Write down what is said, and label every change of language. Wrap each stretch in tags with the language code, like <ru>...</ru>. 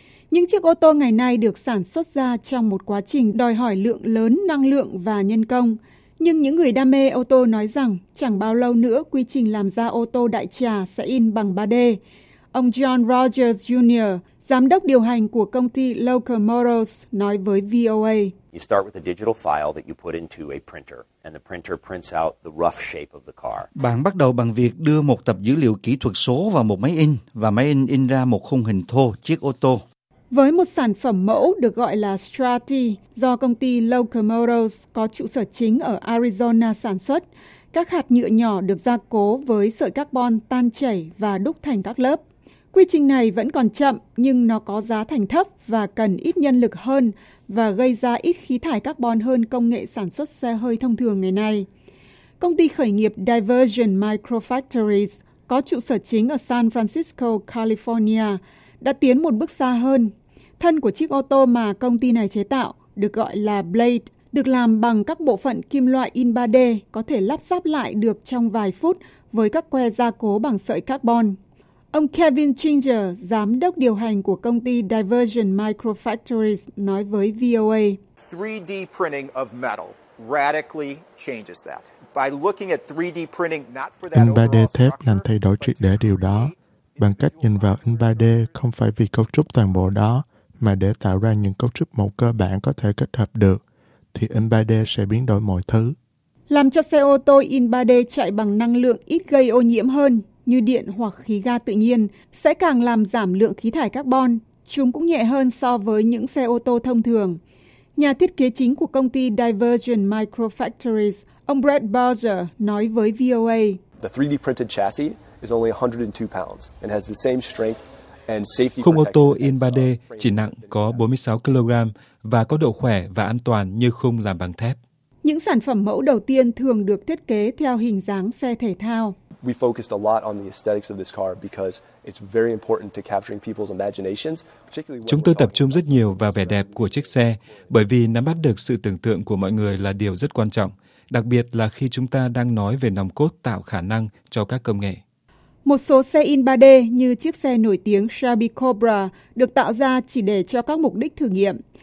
<vi>Những chiếc ô tô ngày nay được sản xuất ra trong một quá trình đòi hỏi lượng lớn năng lượng và nhân công. Nhưng những người đam mê ô tô nói rằng chẳng bao lâu nữa quy trình làm ra ô tô đại trà sẽ in bằng 3D. Ông John Rogers Jr., giám đốc điều hành của công ty Local Motors, nói với VOA.</vi> <en>You start with a digital file that you put into a printer, and the printer prints out the rough shape of the car.</en> <vi>Bạn bắt đầu bằng việc đưa một tập dữ liệu kỹ thuật số vào một máy in, và máy in in ra một khung hình thô chiếc ô tô. Với một sản phẩm mẫu được gọi là Strati, do công ty Local Motors có trụ sở chính ở Arizona sản xuất, các hạt nhựa nhỏ được gia cố với sợi carbon tan chảy và đúc thành các lớp. Quy trình này vẫn còn chậm, nhưng nó có giá thành thấp và cần ít nhân lực hơn và gây ra ít khí thải carbon hơn công nghệ sản xuất xe hơi thông thường ngày nay. Công ty khởi nghiệp Diversion Microfactories có trụ sở chính ở San Francisco, California, đã tiến một bước xa hơn. Thân của chiếc ô tô mà công ty này chế tạo, được gọi là Blade, được làm bằng các bộ phận kim loại in 3D có thể lắp ráp lại được trong vài phút với các que gia cố bằng sợi carbon. Ông Kevin Chinger, giám đốc điều hành của công ty Diversion Microfactories, nói với VOA.</vi> <en>3D printing of metal radically changes that. By looking at 3D printing, not for that.</en> <vi>In 3D thép làm thay đổi triệt để điều đó. Bằng cách nhìn vào in 3D không phải vì cấu trúc toàn bộ đó, mà để tạo ra những cấu trúc mẫu cơ bản có thể kết hợp được, thì in 3D sẽ biến đổi mọi thứ. Làm cho xe ô tô in 3D chạy bằng năng lượng ít gây ô nhiễm hơn, như điện hoặc khí ga tự nhiên, sẽ càng làm giảm lượng khí thải carbon. Chúng cũng nhẹ hơn so với những xe ô tô thông thường. Nhà thiết kế chính của công ty Diversion Microfactories, ông Brett Bowser, nói với VOA.</vi> <en>The 3D printed chassis is only 102 pounds and has the same strength and safety.</en> <vi>Khung ô tô in 3D chỉ nặng có 46 kg và có độ khỏe và an toàn như khung làm bằng thép. Những sản phẩm mẫu đầu tiên thường được thiết kế theo hình dáng xe thể thao.</vi> <en>We focused a lot on the aesthetics of this car because it's very important to capturing people's imaginations, particularly.</en> <vi>Chúng tôi tập trung rất nhiều vào vẻ đẹp của chiếc xe bởi vì nắm bắt được sự tưởng tượng của mọi người là điều rất quan trọng, đặc biệt là khi chúng ta đang nói về nòng cốt tạo khả năng cho các công nghệ. Một số xe in 3D như chiếc xe nổi tiếng Shelby Cobra được tạo ra chỉ để cho các mục đích thử nghiệm.</vi>